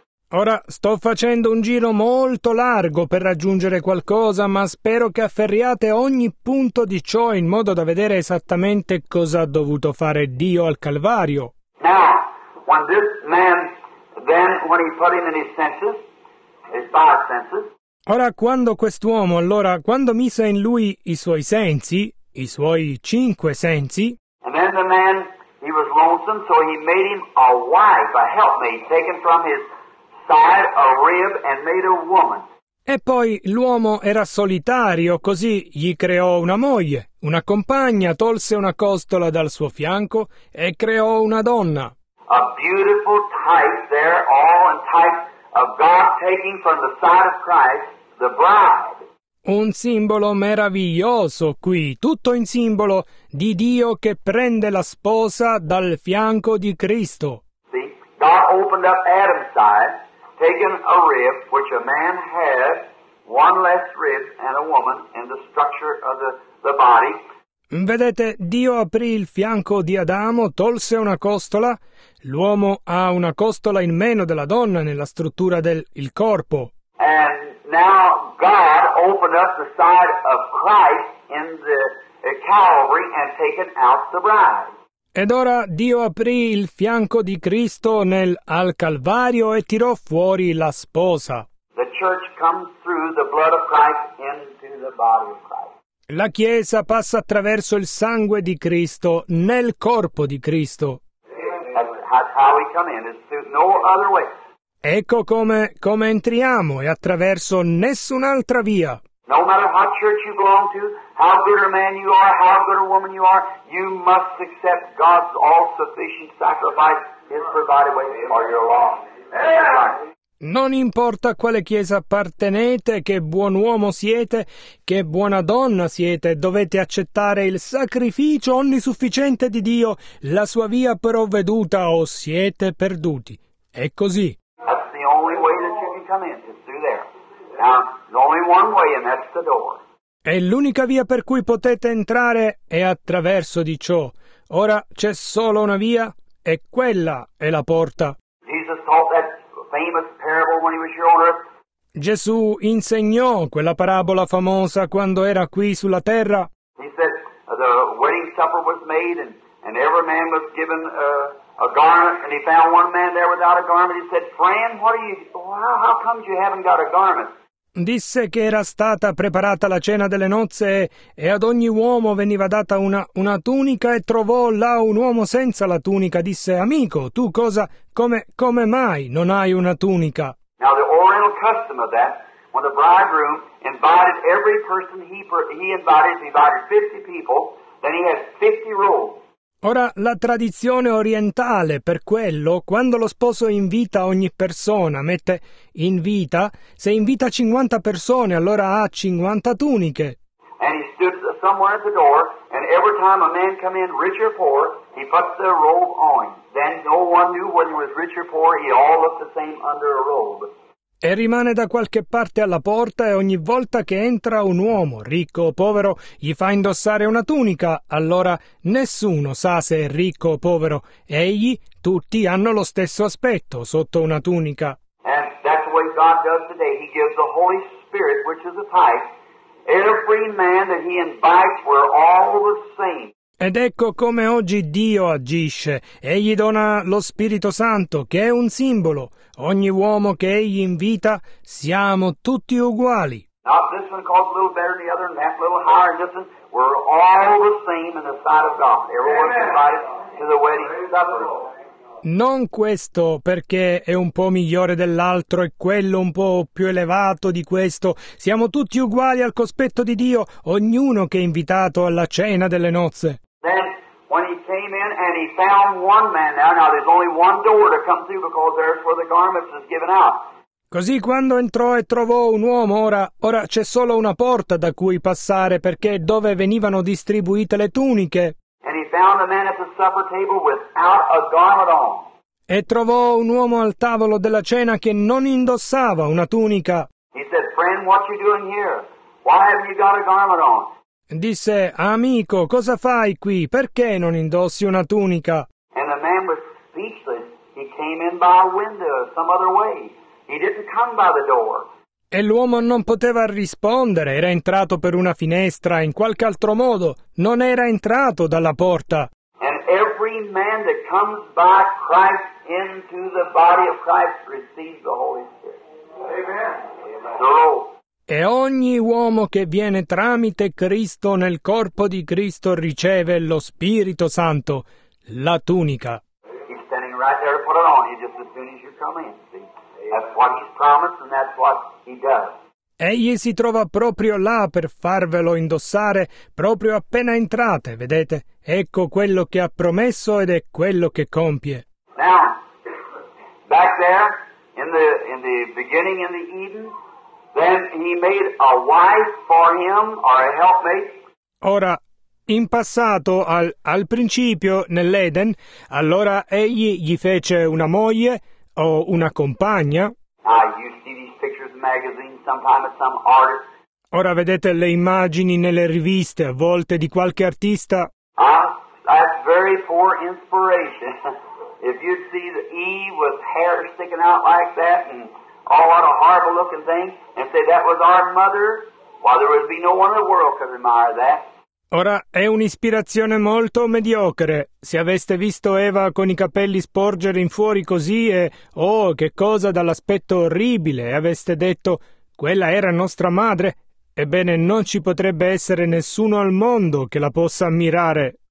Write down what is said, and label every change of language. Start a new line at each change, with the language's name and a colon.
Italian: Ora sto facendo un giro molto largo per raggiungere qualcosa, ma spero che afferriate ogni punto di ciò in modo da vedere esattamente cosa ha dovuto fare Dio al Calvario.
English: Now, when this man, then when he put him in his senses, his five senses.
Italian: Ora, quando quest'uomo, allora, quando mise in lui i suoi sensi, i suoi cinque sensi.
English: And then the man, he was lonesome, so he made him a wife, a helpmate, taken from his side a rib and made a woman.
Italian: E poi l'uomo era solitario, così gli creò una moglie, una compagna, tolse una costola dal suo fianco e creò una donna.
English: A beautiful type there, all in type of God taking from the side of Christ, the bride.
Italian: Un simbolo meraviglioso qui, tutto in simbolo di Dio che prende la sposa dal fianco di Cristo.
English: See, God opened up Adam's side. Taken a rib, which a man had, one less rib, and a woman, in the structure of the body.
Italian: Vedete, Dio aprì il fianco di Adamo, tolse una costola. L'uomo ha una costola in meno della donna nella struttura del il corpo.
English: And now God opened up the side of Christ in the Calvary and taken out the bride.
Italian: Ed ora Dio aprì il fianco di Cristo nel al Calvario e tirò fuori la sposa.
English: The church comes through the blood of Christ into the body of Christ.
Italian: La Chiesa passa attraverso il sangue di Cristo nel corpo di Cristo.
English: That's how we come in. It's through no other way.
Italian: Ecco come entriamo, e attraverso nessun'altra via.
English: No matter what church you belong to, how good a man you are, how good a woman you are, you must accept God's all-sufficient sacrifice, His provided way, or you're lost.
Italian: Non importa quale chiesa appartenete, che buon uomo siete, che buona donna siete, dovete accettare il sacrificio onnisufficiente di Dio, la sua via provveduta, o siete perduti. È così.
English: That's the only way that you can come in, is through there. Now, only one way, and that's the door.
Italian: È l'unica via per cui potete entrare è attraverso di ciò. Ora c'è solo una via, e quella è la porta.
English: Jesus taught that famous parable when he was here on earth.
Italian: Gesù insegnò quella parabola famosa quando era qui sulla terra.
English: He said the wedding supper was made, and every man was given a garment, and he found one man there without a garment. He said, "Friend, how come you haven't got a garment?"
Italian: Disse che era stata preparata la cena delle nozze e ad ogni uomo veniva data una tunica e trovò là un uomo senza la tunica. Disse, amico, tu cosa, come mai non hai una tunica?
English: Now the oriental custom of that, when the bridegroom invited every person he invited 50 people, then he had 50 robes.
Italian: Ora, la tradizione orientale, per quello, quando lo sposo invita ogni persona, mette invita, se invita 50 persone, allora ha 50 tuniche.
English: And he stood somewhere at the door, and every time a man come in, rich or poor, he puts their robe on him. Then no one knew whether he was rich or poor, he all looked the same under a robe.
Italian: E rimane da qualche parte alla porta e ogni volta che entra un uomo, ricco o povero, gli fa indossare una tunica, allora nessuno sa se è ricco o povero. Egli, tutti hanno lo stesso aspetto sotto una tunica.
English: And that's the way God does today. He gives the Holy Spirit, which is a type. Every man that he invites, we're all the same.
Italian: Ed ecco come oggi Dio agisce. Egli dona lo Spirito Santo, che è un simbolo. Ogni uomo che egli invita, siamo tutti uguali.
English: Not this one calls a little better than the other, and that a little higher than this one. We're all the same in the sight of God. Everyone's invited to the wedding supper.
Italian: Non questo perché è un po' migliore dell'altro e quello un po' più elevato di questo. Siamo tutti uguali al cospetto di Dio, ognuno che è invitato alla cena delle nozze.
English: Then when he came in and he found one man there, now there's only one door to come through because there's where the garments is given out.
Italian: Così quando entrò e trovò un uomo, ora c'è solo una porta da cui passare perché è dove venivano distribuite le tuniche.
English: And he found a man at the supper table without a garment on.
Italian: E trovò un uomo al tavolo della cena che non indossava una tunica.
English: He said, "Friend, what are you doing here? Why have you got a garment on?"
Italian: Disse, "Amico, cosa fai qui? Perché non indossi una tunica?"
English: And the man was speechless. He came in by a window or some other way. He didn't come by the door.
Italian: E l'uomo non poteva rispondere, era entrato per una finestra, in qualche altro modo, non era entrato dalla porta.
English: And every man that comes by Christ into the body of Christ receives the Holy Spirit. Amen. So,
Italian: e ogni uomo che viene tramite Cristo nel corpo di Cristo riceve lo Spirito Santo, la tunica.
English: He's standing right there to put it on you just as soon as you come in, see? That's what he's promised and that's what he does.
Italian: Egli si trova proprio là per farvelo indossare, proprio appena entrate, vedete? Ecco quello che ha promesso ed è quello che compie.
English: Now, back there, in the beginning in the Eden, then he made a wife for him, or a helpmate.
Italian: Ora, in passato, al principio, nell'Eden, allora egli gli fece una moglie, o una compagna.
English: You see these pictures in magazines sometimes of some artist.
Italian: Ora vedete le immagini nelle riviste a volte di qualche artista.
English: That's very poor inspiration. If you see the Eve with hair sticking out like that and all out of horrible looking thing and say that was our mother, well, there would be no one in the world could admire that.
Italian: Ora, è un'ispirazione molto mediocre. Se aveste visto Eva con i capelli sporgere in fuori così e, oh, che cosa dall'aspetto orribile, e aveste detto, quella era nostra madre, ebbene, non ci potrebbe essere nessuno al mondo che la possa ammirare.